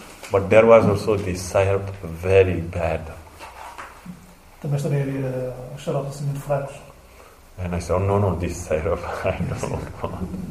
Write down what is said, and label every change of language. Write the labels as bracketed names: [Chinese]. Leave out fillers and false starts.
[English] But there was also this syrup, very bad. [Portuguese] Também havia xarope assim muito fraco. [English] And I said, oh, no, this syrup, I don't want.